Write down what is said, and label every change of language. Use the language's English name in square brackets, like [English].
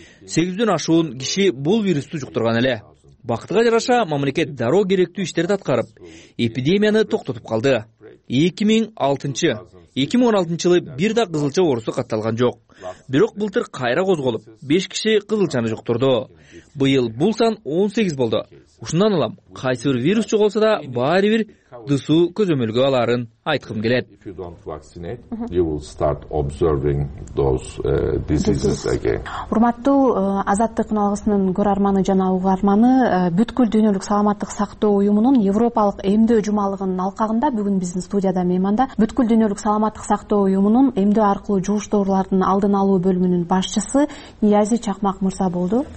[Kyrgyz] 800 ашуун киши бул вирусту жуктурган эле. Бактыга жараша мамлекет дароо керектүү иштерди аткарып, эпидемияны токтотуп калды. 2006-2016-жылы бир да кызылча оорусу катталган жок. Бирок былтыр кайра козголуп, 5 киши кызылчаны жуктурду. Быйыл бул сан 18 болду. Ушундан улам кайсы бир вирус жоголсо да баары бир дысу көзөмөлгө аларын айткым келет. [English] If you don't vaccinate, you will start observing those diseases again. [Kyrgyz] Урматтуу Азаттык каналынын көрөрманы жана угарманы, бүткүл дүйнөлүк саламаттык сактоо уюмунун Европалык эмдөө жумалыгынын алкагында бүгүн биздин студияда мейманда бүткүл дүйнөлүк саламаттык сактоо уюмунун эмдөө аркылуу жугуштуруулардын алдын алуу бөлүмүнүн башчысы Ниязи Чакмак мырза болду.